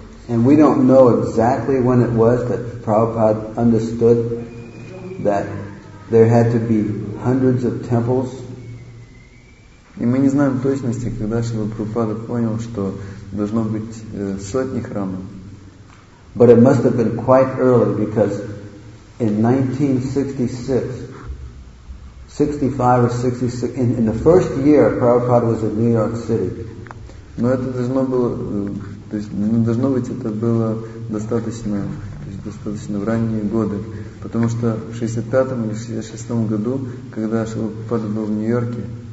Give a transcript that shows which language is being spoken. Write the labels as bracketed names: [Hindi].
[English] And we don't know exactly when it was that Prabhupada understood that there had to be hundreds of temples. [Russian] И мы не знаем точности, когда Шрила Прабхупада понял, что должно быть сотни храмов. [English] But it must have been quite early, because in 1966, 65 or 66, in the first year, Prabhupada was in New York City. [Russian] Но это должно было, то есть, ну, должно быть, это было достаточно, то есть, достаточно в ранние годы. Потому что в 65-м или 66-м году, когда Шрила Прабхупада был в Нью-Йорке,